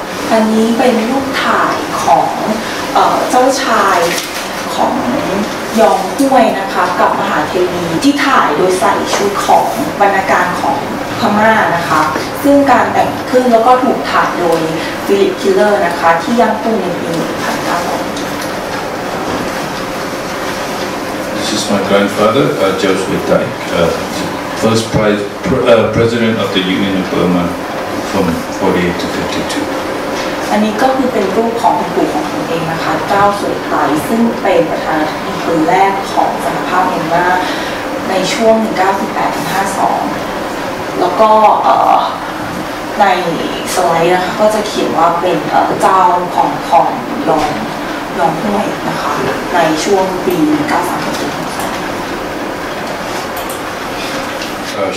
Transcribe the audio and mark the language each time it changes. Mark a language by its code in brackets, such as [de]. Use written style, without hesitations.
[th] อันนี้เป็นรูปถ่ายของเจ้าชายของยองห้วยนะคะกับมหาเทวีที่ถ่ายโดยใส่ชุดของบรรณาการของพม่านะคะซึ่งการแต่งขึ้นแล้วก็ถูกถ่ายโดยฟิลิปคิลเลอร์นะคะที่ย่างกุ้งในปี1900 [en] This is my grandfather Joseph Dyck first prize president of the Union of Burma from 48 to 52 [th] อันนี้ก็คือเป็นรูปของคุณปู่ของผมเองนะคะเจ้าสุดท้ายซึ่งเป็นประธานาธิบดีคนแรกของสหภาพเมียนมาในช่วง1948-52แล้วก็ในสไลด์นะคะก็จะเขียนว่าเป็นเจ้าของลองห้วยนะคะในช่วงปี1953